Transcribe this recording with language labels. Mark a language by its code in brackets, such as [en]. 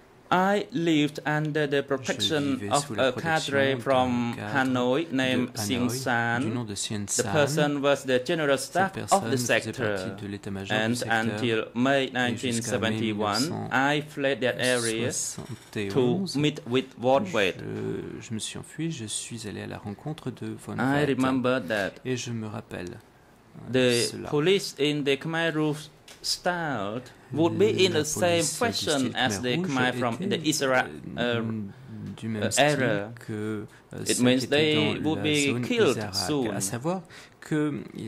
[en] I lived under the protection of a cadre from Hanoi named Xing San. The person was the general staff of the sector. And until May 1971, I fled that area to meet with Von Wett. [fr] Je me suis enfui, je suis allé à la rencontre de Von Wett. [en] I remember that. [fr] Et je me rappelle [en] the police in the Khmer Rouge style would be in the same fashion as the Khmer from the Israel era. It means they would be killed soon. [fr] À savoir que